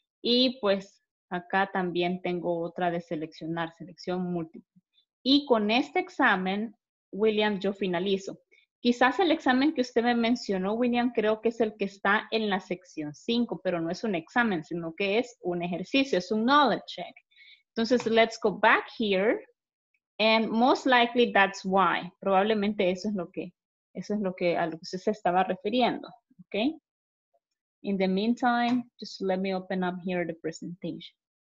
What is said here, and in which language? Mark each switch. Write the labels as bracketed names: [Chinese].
[Spanish] Y pues acá también tengo otra de seleccionar, selección múltiple. Y con este examen, William, yo finalizo. Quizás el examen que usted me mencionó, William, creo que es el que está en la sección 5, pero no es un examen, sino que es un ejercicio, es un knowledge check. Entonces, [English] let's go back here, and most likely that's why. [Spanish] Probablemente eso es lo que a lo que usted se estaba refiriendo, ¿ok? [English] In the meantime, just let me open up here the presentation.